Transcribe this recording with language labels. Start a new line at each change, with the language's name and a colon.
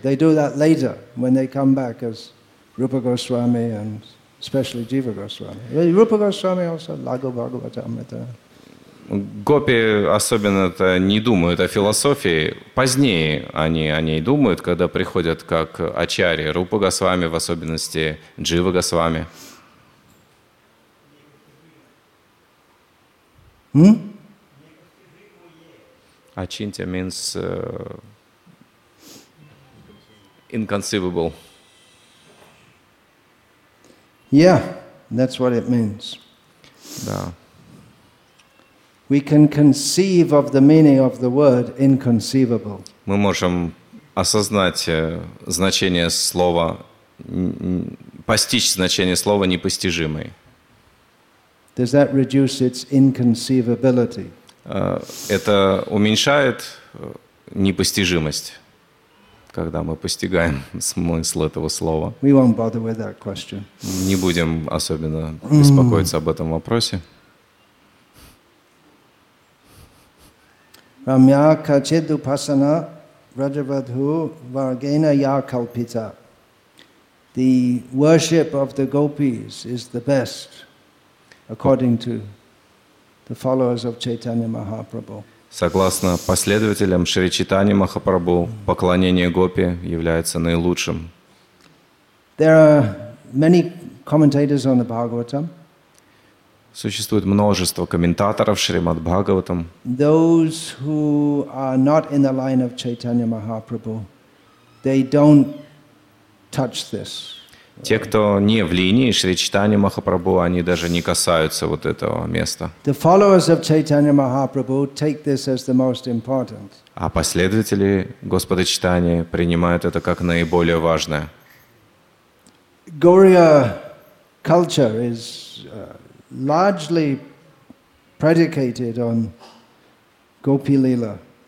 English: They do that later when they come back as Rupa Goswami and especially Jiva Goswami. Rupa Goswami also, Lago Bhagavatam.
Russian: Гопи особенно-то не думают о философии. Позднее они о ней думают, когда приходят как ачарьи. Рупа Госвами, в особенности Джива Госвами.
English: Achintya means inconceivable. Yeah, that's what it means.
Russian: Да.
English: We can conceive of the meaning of the word inconceivable.
Russian: Мы можем осознать значение слова, постичь значение слова непостижимый.
English: Does that reduce its inconceivability?
Russian: Это уменьшает непостижимость, когда мы постигаем смысл этого слова.
English: We won't bother with that question.
Russian: Не будем особенно беспокоиться об этом вопросе.
Sanskrit: Рамья качедупасана раджабадху варгена якалпита.
English: The worship of the gopis is the best, according to the followers of Chaitanya Mahaprabhu.
Russian: Согласно последователям Шри Чайтаньи Махапрабху, поклонение гопи является наилучшим.
English: There are many commentators on the Bhagavatam.
Russian: Существует множество комментаторов Шримад Бхагаватам.
English: Those who are not in the line of Chaitanya Mahaprabhu, they don't touch this.
Russian: Те, кто не в линии Шри Чайтаньи Махапрабху, они даже не касаются вот этого места.
English: The followers of Chaitanya Mahaprabhu take this as the most important.
Russian: А последователи Господа Чайтаньи принимают это как наиболее важное.
English: Gauriya culture is largely predicated on Gopi Lila.